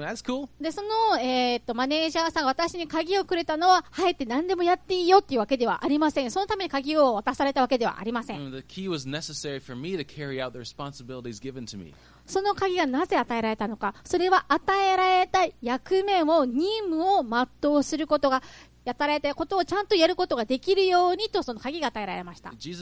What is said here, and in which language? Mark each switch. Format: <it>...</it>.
<en>That's cool.</en> <ja>で、その、マネージャーさんが私に鍵をくれたのは、入って何でもやっていいよっていうわけではありません。そのために鍵を渡されたわけではありません。</ja> <en>The key was necessary for me to carry out the responsibilities given to me.</en> <ja>その鍵がなぜ与えられたのか。それは与えられた役目を、任務を全うすることが、やたられたことをちゃんとやることができるようにとその鍵が与えられました。</ja>